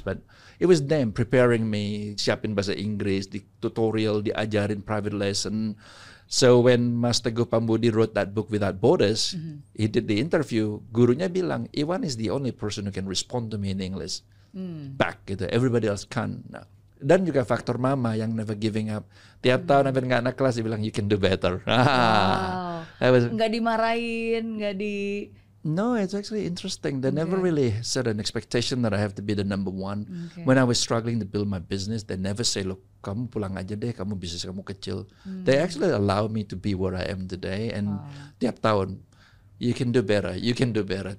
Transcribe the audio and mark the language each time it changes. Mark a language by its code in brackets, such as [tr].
[en] But it was them preparing me, [id] siapin bahasa Inggris, di tutorial, diajarin private lesson. [en] So when Master Gopambudi wrote that book Without Borders, he did the interview, [id] gurunya bilang, [en] Iwan is the only person who can respond to me in English back gitu. Everybody else can't. Nah. [id] Dan juga faktor mama yang [en] never giving up. [id] Tiap tahun sampai enggak anak kelas dibilang [en] you can do better. [id] Wow. Enggak dimarahin, enggak di [en] No, it's actually interesting. They never really set an expectation that I have to be the number one. When I was struggling to build my business, they never say, look, [id] kamu pulang aja deh, kamu bisnis kamu kecil. [en] They actually allow me to be where I am today. And tiap tahun, you can do better, you can do better.